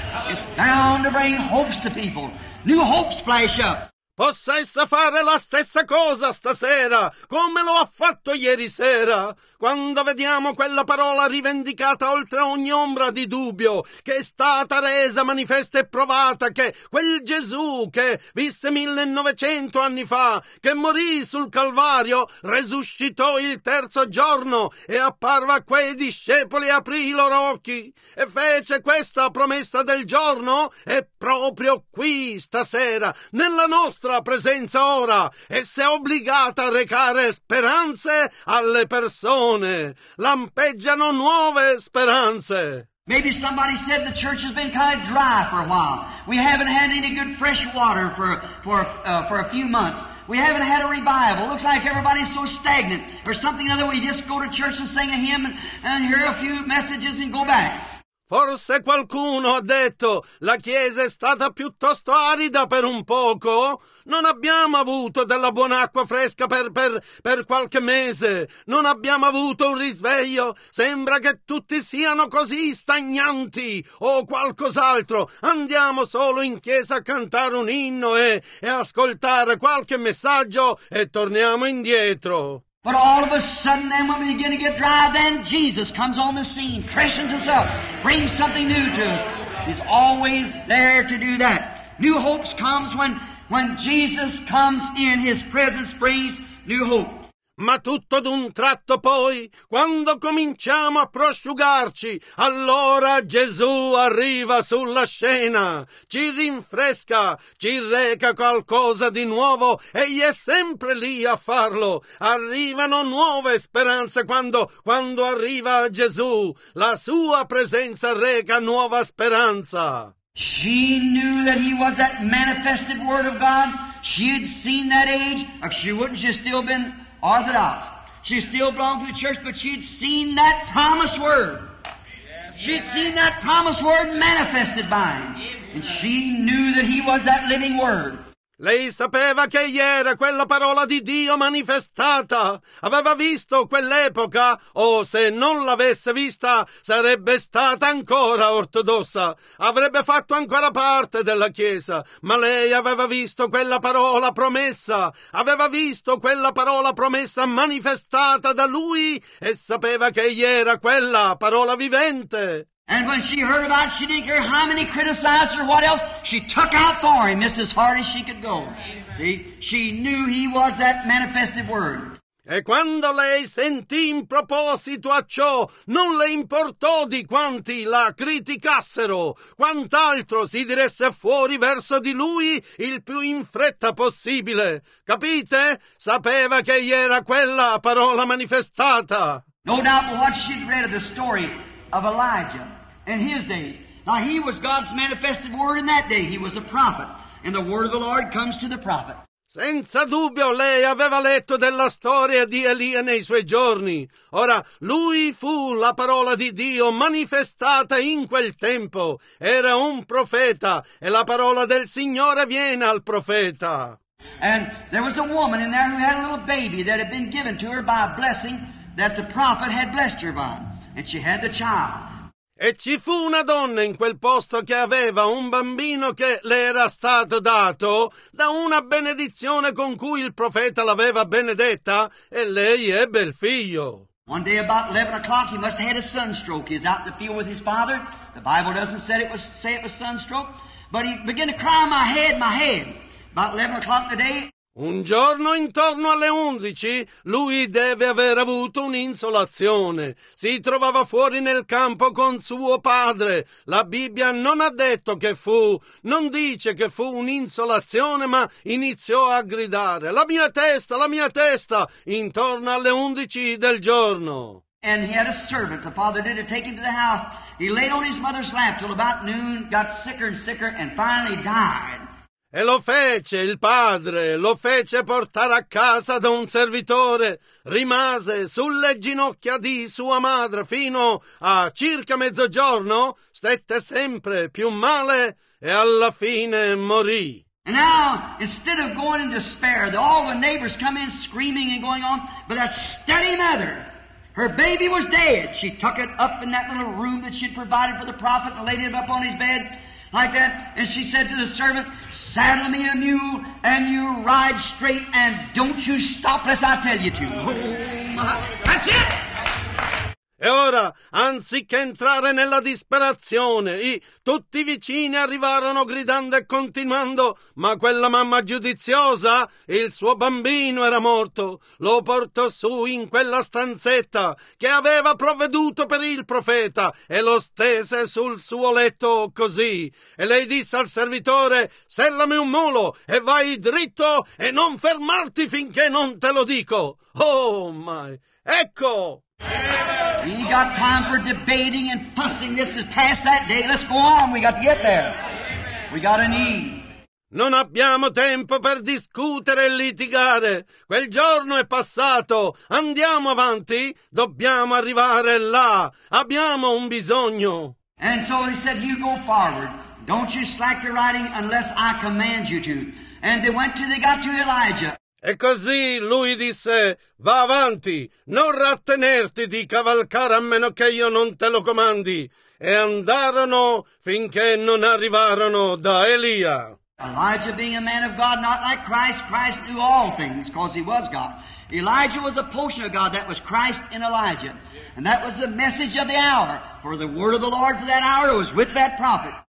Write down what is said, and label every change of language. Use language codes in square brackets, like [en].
[en] It's bound to bring hopes to people. New hopes flash up. [it] Possa essa fare la stessa cosa stasera, come lo ha fatto ieri sera. Quando vediamo quella parola rivendicata oltre ogni ombra di dubbio, che è stata resa manifesta e provata, che quel Gesù che visse 1900 anni fa, che morì sul Calvario, resuscitò il terzo giorno e apparve a quei discepoli e aprì i loro occhi e fece questa promessa del giorno, è proprio qui stasera, nella nostra presenza ora e si è obbligata a recare speranze alle persone. Lampeggiano nuove speranze. [en] Maybe somebody said the church has been kind of dry for a while. We haven't had any good fresh water for a few months. We haven't had a revival. It looks like everybody's so stagnant or something other. We just go to church and sing a hymn and hear a few messages and go back. [it] Forse qualcuno ha detto, la chiesa è stata piuttosto arida per un poco. Non abbiamo avuto della buona acqua fresca per qualche mese. Non abbiamo avuto un risveglio. Sembra che tutti siano così stagnanti o qualcos'altro. Andiamo solo in chiesa a cantare un inno e ascoltare qualche messaggio e torniamo indietro. [en] But all of a sudden, then when we begin to get dry, then Jesus comes on the scene, freshens us up, brings something new to us. He's always there to do that. New hopes comes when Jesus comes in, his presence brings new hope. [it] Ma tutto d'un tratto poi, quando cominciamo a prosciugarci, allora Gesù arriva sulla scena, ci rinfresca, ci reca qualcosa di nuovo, egli è sempre lì a farlo. Arrivano nuove speranze quando arriva Gesù, la sua presenza reca nuova speranza. [en] She knew that he was that manifested word of God. She had seen that age. If she wouldn't, she'd still been Orthodox. She still belonged to the church, but she'd seen that promise word. She'd seen that promise word manifested by him. And she knew that he was that living word. [it] Lei sapeva che egli era quella parola di Dio manifestata. Aveva visto quell'epoca, o se non l'avesse vista, sarebbe stata ancora ortodossa. Avrebbe fatto ancora parte della Chiesa. Ma lei aveva visto quella parola promessa. Aveva visto quella parola promessa manifestata da lui e sapeva che egli era quella parola vivente. [en] And when she heard about it, she didn't care how many criticized her, what else, she took out for him just as hard as she could go. See, she knew he was that manifested word. [it] E quando lei sentì in proposito a ciò, non le importò di quanti la criticassero, quant'altro si diresse fuori verso di lui il più in fretta possibile. Capite? Sapeva che gli era quella parola manifestata. [en] No doubt what she'd read of the story of Elijah in his days. Now he was God's manifested word in that day. He was a prophet. And the word of the Lord comes to the prophet. [it] Senza dubbio lei aveva letto della storia di Elia nei suoi giorni. Ora, lui fu la parola di Dio manifestata in quel tempo. Era un profeta e la parola del Signore viene al profeta. [en] And there was a woman in there who had a little baby that had been given to her by a blessing that the prophet had blessed her by. And she had the child. [it] E ci fu una donna in quel posto che aveva un bambino che le era stato dato da una benedizione con cui il profeta l'aveva benedetta, e lei ebbe il figlio. [en] One day about 11 o'clock he must have had a sunstroke. He's out in the field with his father. The Bible doesn't say it was sunstroke, but he began to cry, my head, my head. About 11 o'clock the day. [it] Un giorno intorno alle 11 lui deve aver avuto un'insolazione. Si trovava fuori nel campo con suo padre. La Bibbia non ha detto che fu, non dice che fu un'insolazione, ma iniziò a gridare: la mia testa, intorno alle 11 del giorno. [en] And he had a servant, the father did it, take him to the house. He laid on his mother's lap till about noon, got sicker and sicker, and finally died. [it] E lo fece il padre, lo fece portare a casa da un servitore, rimase sulle ginocchia di sua madre fino a circa mezzogiorno, stette sempre più male e alla fine morì. [en] And now, instead of going in despair, all the neighbors come in screaming and going on, but that steady mother, her baby was dead. She took it up in that little room that she'd provided for the prophet and laid it up on his bed. Like that, and she said to the servant, saddle me a mule and you ride straight and don't you stop unless I tell you to. Oh, that's it! [it] E ora, anziché entrare nella disperazione, tutti i vicini arrivarono gridando e continuando, ma quella mamma giudiziosa, il suo bambino era morto, lo portò su in quella stanzetta che aveva provveduto per il profeta e lo stese sul suo letto così. E lei disse al servitore, sellami un mulo e vai dritto e non fermarti finché non te lo dico. [en] Oh, my! [it] Ecco! [en] We got time for debating and fussing. This is past that day. Let's go on. We got to get there. We got a need. [it] Non abbiamo tempo per discutere e litigare. Quel giorno è passato. Andiamo avanti. Dobbiamo arrivare là. Abbiamo un bisogno. [en] And so he said, you go forward. Don't you slack your riding unless I command you to. And they went till they got to Elijah. [it] E così lui disse, va avanti, non rattenerti di cavalcare a meno che io non te lo comandi. E andarono finché non arrivarono da Elia. [en] Elijah being a man of God, not like Christ, Christ knew all things because he was God. Elijah was a portion of God, that was Christ in Elijah. And that was the message of the hour, for the word of the Lord for that hour was with that prophet.